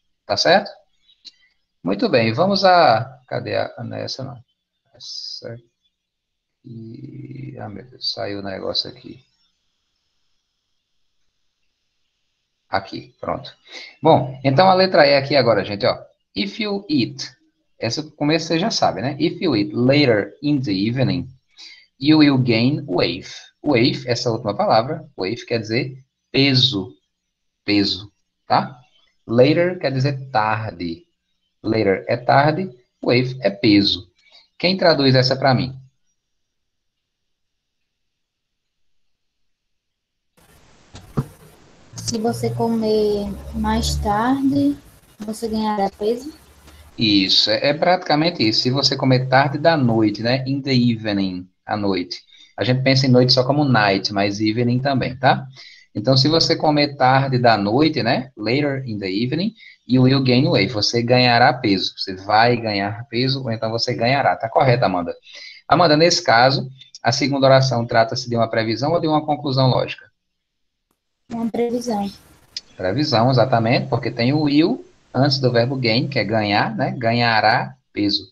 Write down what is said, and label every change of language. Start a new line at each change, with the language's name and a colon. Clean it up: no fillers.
Portuguese: Tá certo? Muito bem, vamos a. Cadê a. Nessa não. Essa aqui. Ah, meu Deus, saiu o negócio aqui. Aqui, pronto. Bom, então a letra E aqui agora, gente, ó.
English: If you eat,
Portuguese: essa começo você já sabe, né?
English: If you eat later in the evening, you will gain weight.
Portuguese: Weight, essa última palavra, weight quer dizer peso. Peso, tá? Later quer dizer tarde. Later é tarde, weight é peso. Quem traduz essa para mim? Se você comer mais tarde, você ganhará peso. Isso, é praticamente isso. Se você comer tarde da noite, né?
English: In the evening,
Portuguese: à noite. A gente pensa em noite só como night, mas evening também, tá? Então, se você comer tarde da noite, né?
English: Later in the evening, you will gain weight.
Portuguese: Você ganhará peso. Você vai ganhar peso, ou então você ganhará. Tá correto, Amanda? Amanda, nesse caso, a segunda oração trata-se de uma previsão ou de uma conclusão lógica? Uma previsão. Previsão, exatamente, porque tem o will. Antes do verbo gain, que é ganhar, né? Ganhará peso.